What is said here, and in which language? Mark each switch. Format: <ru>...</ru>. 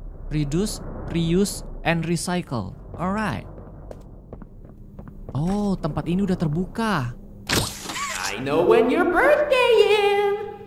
<en>Reduce, reuse, and recycle. Alright.</en> <id>Oh, tempat ini udah terbuka.</id> <en>I know when your birthday is.</en>